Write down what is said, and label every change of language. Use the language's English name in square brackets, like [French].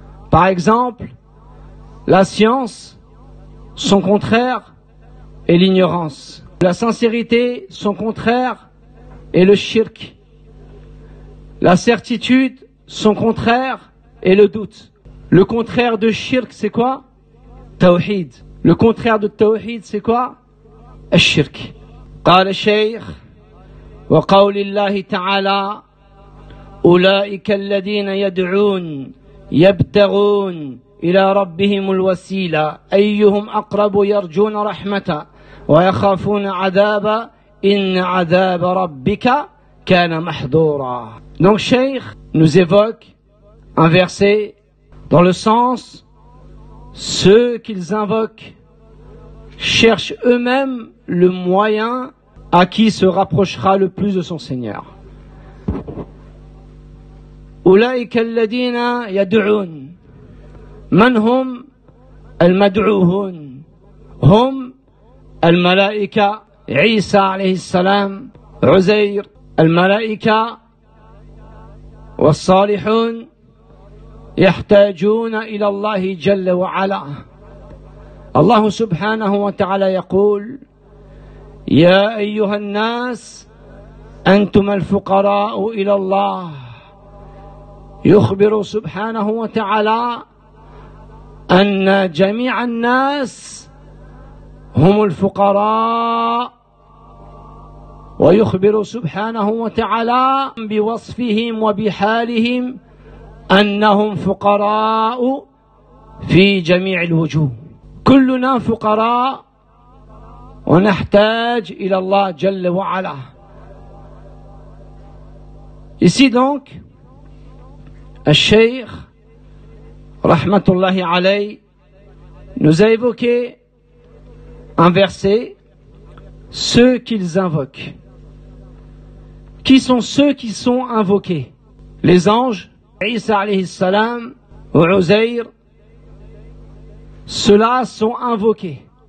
[French] Par exemple, la science, son contraire est l'ignorance. La sincérité, son contraire est le shirk. La certitude, son contraire est le doute. Le contraire de shirk, c'est quoi ? Tawhid. Le contraire de tawhid, c'est quoi? Al-shirk. [Arabic] قال الشيخ وقول الله تعالى أولئك الذين يدعون يبتغون إلى ربهم الوسيلة أيهم أقرب يرجون رحمة ويخافون عذاب إن عذاب ربك كان محضورا. [French] Donc Cheikh nous évoque un verset dans le sens: ceux qu'ils invoquent cherchent eux-mêmes le moyen à qui se rapprochera le plus de son Seigneur. [Arabic] Oulaïka alladina yad'oun. Man hum al-mad'ouhun. Hum al-malaïka Isa alayhi salam, Uzair, al-malaïka والصالحون يحتاجون إلى الله جل وعلا. الله سبحانه وتعالى يقول يا أيها الناس أنتم الفقراء إلى الله. يخبر سبحانه وتعالى أن جميع الناس هم الفقراء، ويخبر سبحانه وتعالى بوصفهم وبحالهم أنهم فقراء في جميع الوجوه. كلنا فقراء ونحتاج إلى الله جل وعلا. [French] Ici donc, [Arabic] الشيخ رحمة الله عليه [French] nous a évoqué un verset, ceux qu'ils invoquent. Qui sont ceux qui sont invoqués? Les anges, Isa alayhi salam, ou Uzair, ceux-là sont invoqués.